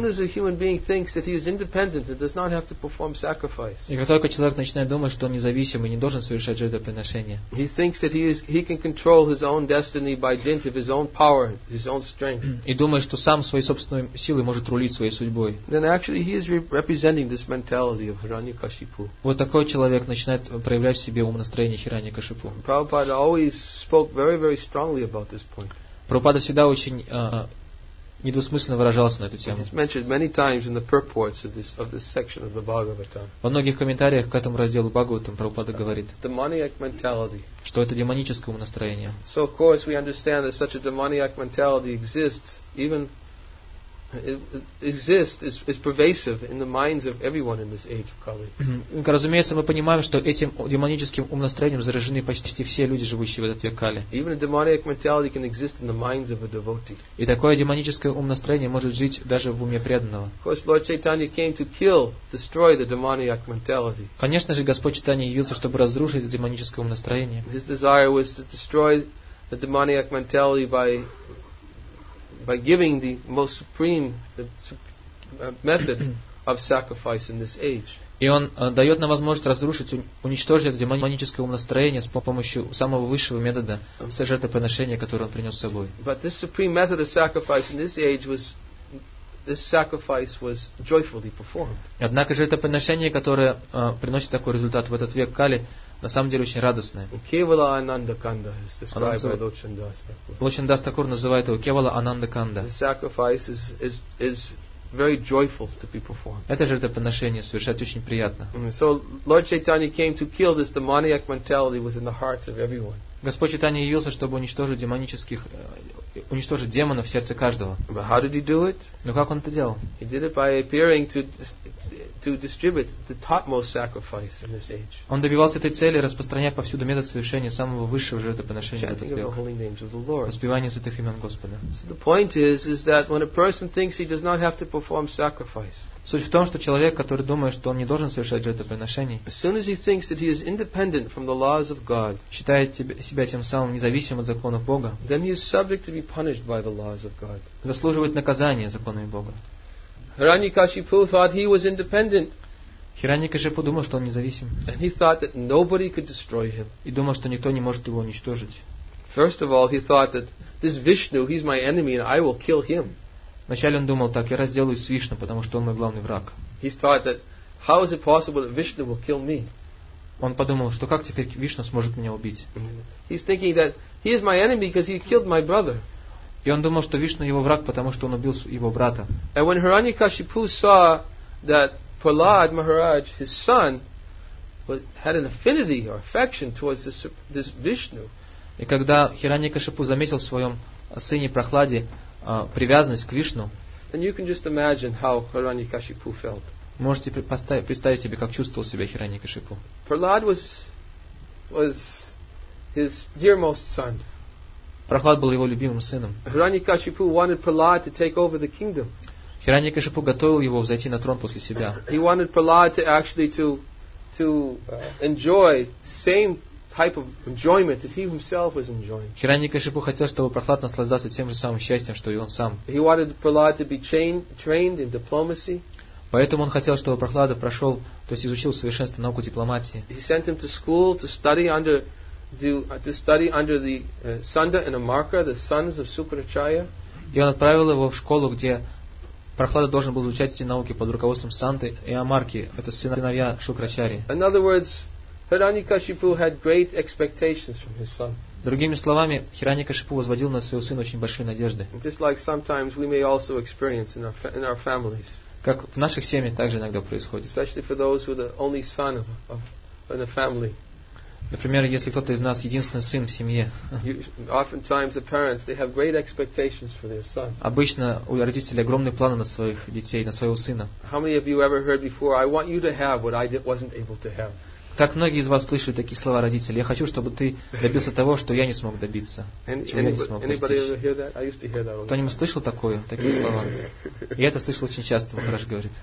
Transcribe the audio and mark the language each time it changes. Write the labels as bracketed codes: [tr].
[ru] И как только человек начинает думать, что он независим и не должен совершать жертвоприношение, и думает, что сам своей собственной силой может рулить своей судьбой, вот такой человек начинает проявлять в себе ум настроения Хираньякашипу. [en] Prabhupada always spoke very strongly about this point. [ru] Прабхупада всегда очень недвусмысленно выражался на эту тему. [en] It's mentioned many times in the purports of this section of the Bhagavatam. [ru] Во многих комментариях к этому разделу Бхагаватам Прабхупада говорит, [en] demoniac mentality. [ru] Что это демоническое ум настроение. [en] So of course we understand that such a demoniac mentality exists, even exists, is pervasive in the minds of everyone in this age of Kali. [ru] Разумеется, мы понимаем, что этим демоническим умонастроением заражены почти все люди, живущие в этот век Кали. [en] Even a demoniac mentality can exist in the minds of a devotee. [ru] И такое демоническое умонастроение может жить даже в уме преданного. [en] Of course, Lord Chaitanya came to kill, destroy the demoniac mentality. [ru] Конечно же, Господь Чайтанья явился, чтобы разрушить это демоническое умонастроение. [en] His desire was to destroy the demoniac mentality by giving the most supreme method of sacrifice in this age. [ru] И он дает нам возможность разрушить, уничтожить это демоническое умонастроение с помощью самого высшего метода жертвоприношения, который он принес с собой. [en] But this supreme method of sacrifice in this age was this sacrifice was joyfully performed. [ru] Однако жертвоприношение, которое приносит такой результат в этот век Кали, на самом деле очень радостное. [en] Кевала Ананда Канда, described by Лочандас. [ru] Лочандас Такур называет его Кевала Ананда Канда. [en] The sacrifice is very joyful to be performed. [ru] Это жертвоприношение совершать очень приятно. [en] So Lord Chaitanya came to kill this demoniac mentality within the hearts of everyone. [ru] Господь Чайтанья явился, чтобы уничтожить уничтожить демонов в сердце каждого. [en] But how did he do it? [ru] Но как он это делал? [en] He did it by appearing to distribute the topmost sacrifice in this age. [ru] Он добивался этой цели, распространяя повсюду метод совершения самого высшего жертвоприношения в этот век. [en] The holy names of the Lord. [ru] Воспевание святых имен Господа. [en] So the point is that when a person thinks he does not have to perform sacrifice. [ru] Суть в том, что человек, который думает, что он не должен совершать жертвоприношений, [en] as soon as he thinks that he is independent from the laws of God, [ru] считает себя тем самым независимым от законов Бога, [en] then he is subject to be punished by the laws of God. [ru] Заслуживает наказания законами Бога. [en] Hiranyakashipu thought he was independent. [ru] Хираньякашипу думал, что он независим. [en] And he thought that nobody could destroy him. [ru] И думал, что никто не может его уничтожить. [en] First of all, he thought that this Vishnu, he's my enemy, and I will kill him. [ru] Вначале он думал так: я разделаюсь с Вишну, потому что он мой главный враг. [en] He thought that how is it possible that Vishnu will kill me? [ru] Он подумал, что как теперь Вишну сможет меня убить? [en] He's thinking that he is my enemy because he killed my brother. [ru] И он думал, что Вишну его враг, потому что он убил его брата. [en] And when Hiranyakashipu saw that Prahlad Maharaj, his son, had an affinity or affection towards this Vishnu. [ru] И когда Хираньякашипу заметил в своем сыне Прохладе привязанность к Вишну, [en] then you can just imagine how Hiranyakashipu felt. [ru] Можете представить себе, как чувствовал себя Хираньякашипу. [en] Prahlad was his dearmost son. [ru] Прохлад был его любимым сыном. [en] Hiranyakashipu wanted Prahlad to take over the kingdom. [ru] Хираньякашипу готовил его взойти на трон после себя. [en] He wanted Prahlad to actually to enjoy same type of enjoyment that he himself was enjoying. [ru] Хираньякашипу хотел, чтобы Прохлад наслаждался тем же самым счастьем, что и он сам. [en] He wanted Prahlad to be trained in diplomacy. [ru] Поэтому он хотел, чтобы Прохлад прошел, то есть изучил в совершенстве науку дипломатии. [en] He sent him to school to study under the Sunda and Amarka, the sons of Sukracharya. [ru] И он отправил его в школу, где Прохлада должен был изучать эти науки под руководством Санды и Амарки, это сыновья Шукрачарьи. [en] In other words, Hiranyakashipu had great expectations from his son. [ru] Другими словами, Хираньякашипу возводил на своего сына очень большие надежды. [en] Just like sometimes we may also experience in our families. [ru] Как в наших семьях также иногда происходит. [en] Especially for those who are the only son of in a family. [ru] Например, если кто-то из нас единственный сын в семье. [en] Oftentimes the parents, they have great expectations for their son. [ru] Обычно у родителей огромные планы на своих детей, на своего сына. [en] How many of you ever heard before, I want you to have what I wasn't able to have? [ru] Как многие из вас слышали такие слова родителей: я хочу, чтобы ты добился того, что я не смог добиться, чего я не смог достичь. Кто-нибудь слышал такие слова? Я это слышал очень часто, Махараш говорит.